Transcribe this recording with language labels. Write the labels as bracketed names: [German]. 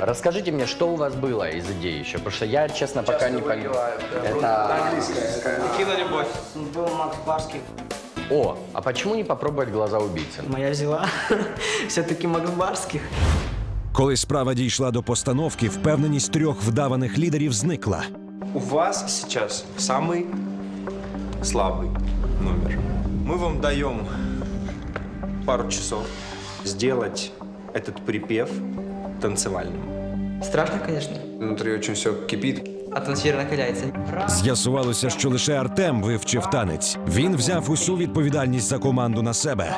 [Russian] Расскажите мне, что у вас было из идей еще, потому что я, честно, пока не понял. Это английская. Кино «Любовь». Был Макс Барских. О, а почему не попробовать «Глаза убийцы»? Моя взяла. Все-таки Макс Барских. [Ukrainian] Коли справа дійшла до постановки, впевненість трьох вдаваних лідерів зникла. [Russian] У вас сейчас самый слабый номер. Мы вам даем пару часов сделать этот припев танцевальным. [Ukrainian] Страшно, звісно. [Russian] Внутрі очень все кипить. [Ukrainian] Атмосфера накаляється. З'ясувалося, що лише Артем вивчив танець. Він взяв усю відповідальність за команду на себе.